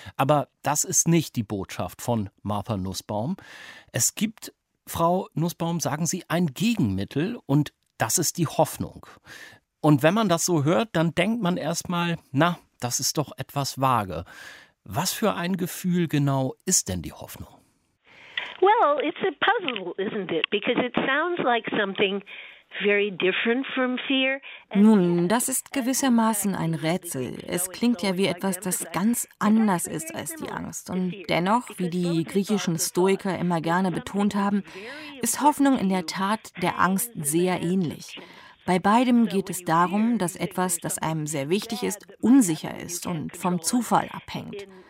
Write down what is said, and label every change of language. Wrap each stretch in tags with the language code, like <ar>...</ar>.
<de>Aber das ist nicht die Botschaft von Martha Nussbaum. Es gibt, Frau Nussbaum, sagen Sie, ein Gegenmittel und das ist die Hoffnung. Und wenn man das so hört, dann denkt man erstmal, na, das ist doch etwas vage. Was für ein Gefühl genau ist denn die Hoffnung?</de> <en>Well, it's a puzzle, isn't it? Because it sounds like something very different from fear.</en> <de>Nun, das ist gewissermaßen ein Rätsel. Es klingt ja wie etwas, das ganz anders ist als die Angst. Und dennoch, wie die griechischen Stoiker immer gerne betont haben, ist Hoffnung in der Tat der Angst sehr ähnlich. Bei beidem geht es darum, dass etwas, das einem sehr wichtig ist, unsicher ist und vom Zufall abhängt.</de>